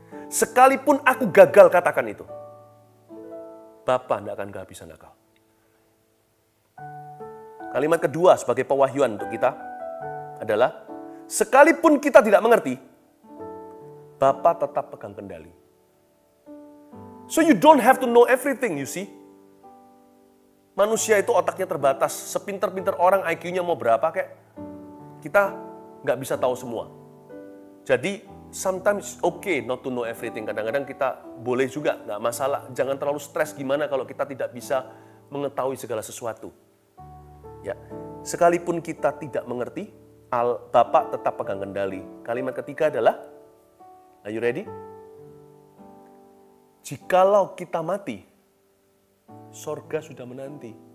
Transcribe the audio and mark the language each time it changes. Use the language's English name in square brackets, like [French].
[Indonesian] Sekalipun aku gagal katakan itu, Bapa tidak akan kehabisan akal. Kalimat kedua sebagai pewahyuan untuk kita adalah sekalipun kita tidak mengerti, Bapa tetap pegang kendali. [English] So you don't have to know everything, you see. [Indonesian] Manusia itu otaknya terbatas. Sepinter-pinter orang IQ-nya mau berapa kayak kita gak bisa tahu semua. Jadi [English] sometimes okay not to know everything. [Indonesian] Kadang-kadang kita boleh juga, gak masalah. Jangan terlalu stres gimana kalau kita tidak bisa mengetahui segala sesuatu. Ya, sekalipun kita tidak mengerti, Bapa tetap pegang kendali. Kalimat ketiga adalah, [English] are you ready? [Indonesian] Jikalau kita mati, sorga sudah menanti.